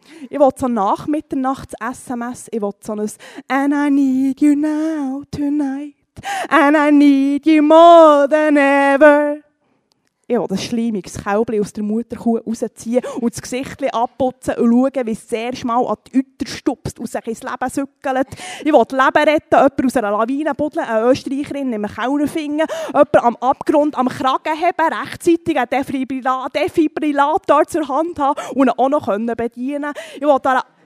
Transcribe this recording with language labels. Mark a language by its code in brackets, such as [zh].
[de] Ich will so nach Mitternachts SMS. Ich will so ein [en] And I need you now tonight. And I need you more than ever. [de] Ich will ein schleimiges Kälbchen aus der Mutterkuh rausziehen und das Gesicht abputzen und schauen, wie es sehr schmal an die Euter stupst und sich ins Leben sückelt. Ich will das Leben retten, jemand aus einer Lawine buddeln, eine Österreicherin in einem Kellnerfinger, jemand am Abgrund am Kragen heben, rechtzeitig einen Defibrillator zur Hand haben und auch noch bedienen können.